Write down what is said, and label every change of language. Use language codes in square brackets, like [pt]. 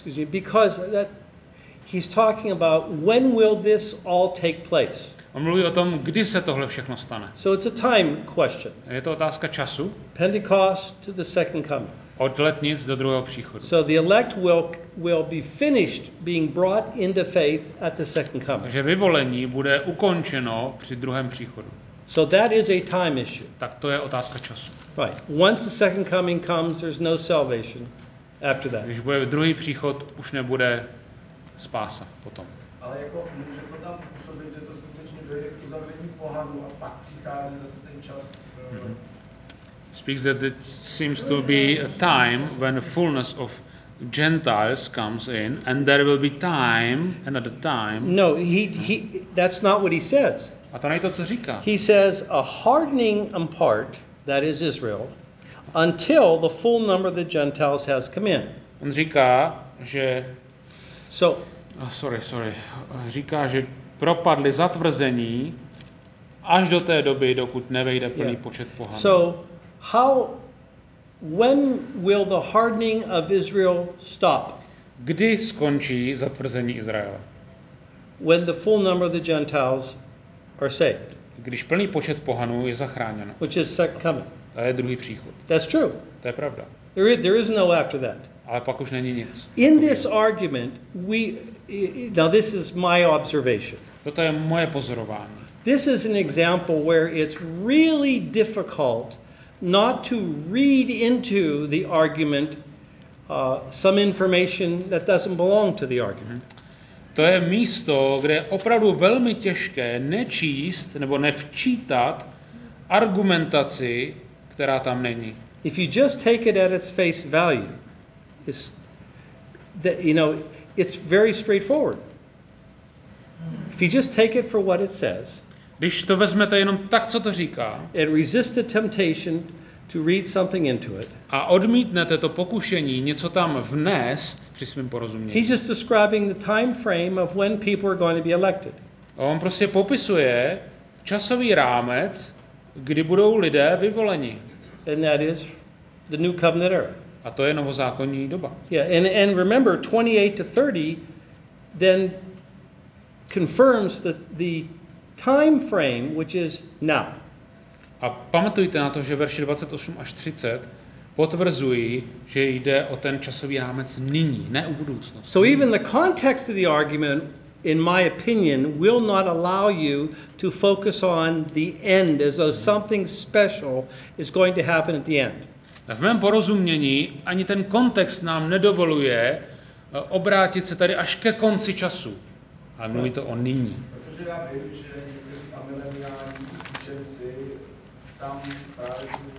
[en] Because he's talking about when will this all take place? [cs] On mluví o tom, kdy se tohle všechno stane. [en] So it's a time question. [cs] Je to otázka času. [en] Pentecost to the second coming. [cs] Od letnic do druhého příchodu. [en] So the elect will be finished being brought into faith at the second coming. [cs] Takže vyvolení bude ukončeno při druhém příchodu. [en] So that is a time issue. [cs] Tak to je otázka času. [en] Right. Once the second coming comes, there's no salvation after that. [cs] Když bude druhý příchod, už nebude spása potom. Ale jako může to tam působit, že to skutečně dojde k uzavření pohanů a pak přichází zase ten čas. [en] Speaks that it seems to be a time when the fullness of Gentiles comes in and there will be time, another time. No, he that's not what he says. [cs] A to není to, co říká. [en] He says a hardening in part, that is Israel, until the full number of the Gentiles has come in. [cs] On říká, že... [en] So... Sorry. [cs] Říká, že propadli zatvrzení až do té doby, dokud nevejde plný počet pohanů. [en] So, how When will the hardening of Israel stop? [cs] Kdy skončí zatvrzení Izraele? [en] When the full number of the Gentiles are saved. [cs] Když plný počet pohanů je zachráněn. [en] Which is second coming. [cs] A je druhý příchod. [en] That's true. [cs] To je pravda. [en] There is no after that. [cs] Ale pak už není nic. [en] In this argument, now this is my observation. [cs] Toto je moje pozorování. [en] This is an example where it's really difficult not to read into the argument some information that doesn't belong to the argument. [cs] To je místo, kde je opravdu velmi těžké nečíst nebo nevčítat argumentaci, která tam není. [en] If you just take it at its face value, is that, you know, it's very straightforward. If you just take it for what it says, [cs] když to vezmete jenom tak, co to říká, [en] and resist the temptation to read something into it, [cs] a odmítnete to pokušení něco tam vnést při svým porozumění, [en] he's just describing the time frame of when people are going to be elected. [cs] On prostě popisuje časový rámec, kdy budou lidé vyvoleni. [en] And that is the new covenant era. [cs] A to je novozákonní doba. [en] Yeah, and remember 28 to 30 then confirms the time frame, which is now. [cs] A pamatujte na to, že verše 28 až 30 potvrzují, že jde o ten časový rámec nyní, ne u budoucnosti. [en] So even the context of the argument, in my opinion, will not allow you to focus on the end as though something special is going to happen at the end. [cs] V mém porozumění ani ten kontext nám nedovoluje obrátit se tady až ke konci času. A mluví to o nyní. Protože já vím, že někteří a mileniální učenci tam právě